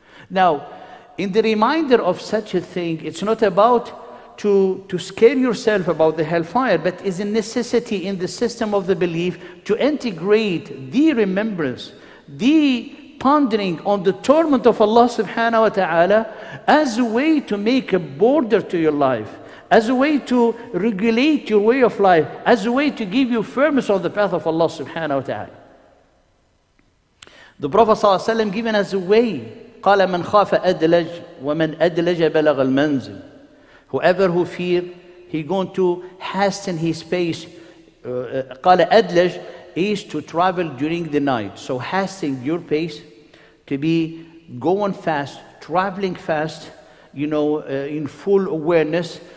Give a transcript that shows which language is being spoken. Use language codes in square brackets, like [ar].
[en] Now, in the reminder of such a thing, it's not about to scare yourself about the hellfire, but is a necessity in the system of the belief to integrate the remembrance, the pondering on the torment of Allah subhanahu wa ta'ala as a way to make a border to your life, as a way to regulate your way of life, as a way to give you firmness on the path of Allah subhanahu wa ta'ala. The Prophet sallallahu alaihi wasallam given us a way. [ar] قال من خاف أدلج ومن أدلج بلغ المنزل. [en] Whoever who fear, he going to hasten his pace. [ar] قال أدلج [en] is to travel during the night. So hasten your pace to be going fast, traveling fast, you know, in full awareness.